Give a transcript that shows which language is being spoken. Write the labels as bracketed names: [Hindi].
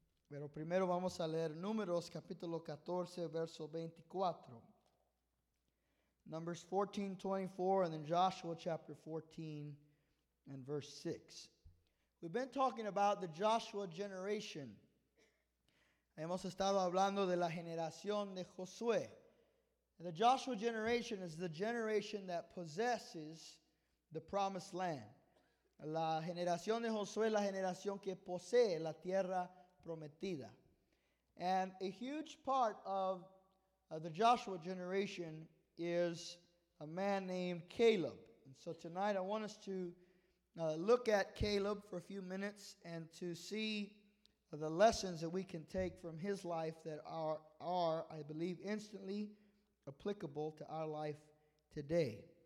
[Spanish] Pero primero vamos a leer Números, capítulo 14, verso 24. [English] Numbers 14, 24, and then Joshua chapter 14 and verse 6. We've been talking about the Joshua generation. [Spanish] Hemos estado hablando de la generación de Josué. [English] And the Joshua generation is the generation that possesses the promised land. [Spanish] La generación de Josué es la generación que posee la tierra prometida. [English] And a huge part of the Joshua generation is a man named Caleb. And so tonight I want us to look at Caleb for a few minutes and to see the lessons that we can take from his life that are, I believe, instantly applicable to our life today.